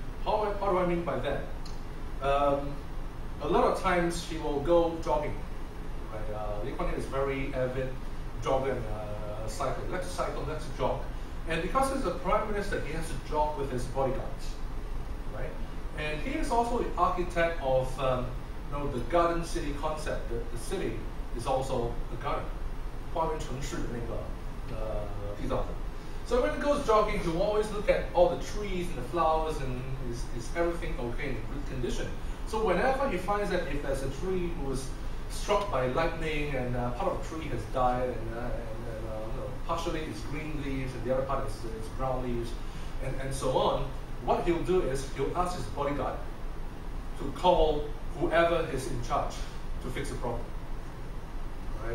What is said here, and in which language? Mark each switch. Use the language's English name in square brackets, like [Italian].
[English] What do I mean by that? A lot of times he will go jogging, right? The aquatic is very avid jogging, cycling. Let's cycle, let's jog. And because he's a prime minister, he has to jog with his bodyguards, right? And he is also the architect of the garden city concept. The city is also a garden. [Chinese] 花园城市的那个地道的. [English] So when he goes jogging, he will always look at all the trees and the flowers, and is everything okay, in good condition. So whenever he finds that if there's a tree who was struck by lightning and part of the tree has died and partially it's green leaves and the other part is it's brown leaves and so on, what he'll do is he'll ask his bodyguard to call whoever is in charge to fix the problem. Right?